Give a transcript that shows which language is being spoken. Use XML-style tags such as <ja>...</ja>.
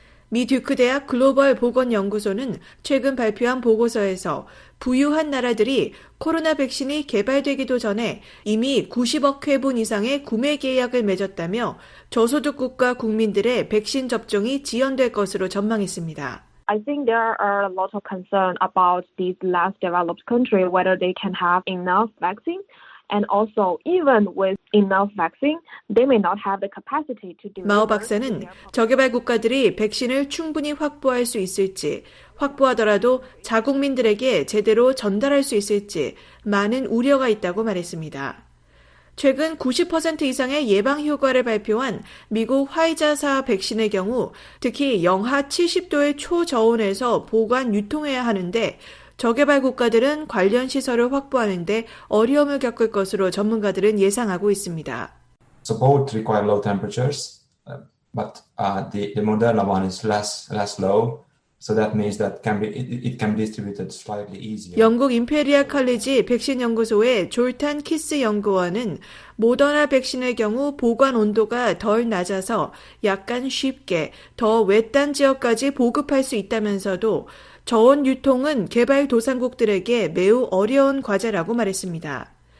<ko>미 듀크대학 글로벌 보건연구소는 최근 발표한 보고서에서 부유한 나라들이 코로나 백신이 개발되기도 전에 이미 90억 회분 이상의 구매 계약을 맺었다며 저소득 국가 국민들의 백신 접종이 지연될 것으로 전망했습니다.</ko> <en>I think there are a lot of concern about these less developed countries whether they can have enough vaccine. And also, even with enough vaccine, they may not have the capacity to deliver.</en> <ko>마오 박사는 저개발 국가들이 백신을 충분히 확보할 수 있을지, 확보하더라도 자국민들에게 제대로 전달할 수 있을지 많은 우려가 있다고 말했습니다. 최근 90% 이상의 예방 효과를 발표한 미국 화이자사 백신의 경우, 특히 영하 70도의 초저온에서 보관 유통해야 하는데. 저개발 국가들은 관련 시설을 확보하는 데 어려움을 겪을 것으로 전문가들은 예상하고 있습니다.</ko> <en>So both require low temperatures, but the Moderna one is less low, so that means that it can be distributed slightly easier.</en> <ko>영국 임페리아 칼리지 백신 연구소의 졸탄 키스 연구원은 모더나 백신의 경우 보관 온도가 덜 낮아서 약간 쉽게 더 외딴 지역까지 보급할 수 있다면서도. 저온 유통은 개발 도상국들에게 매우 어려운 과제라고 말했습니다.</ko>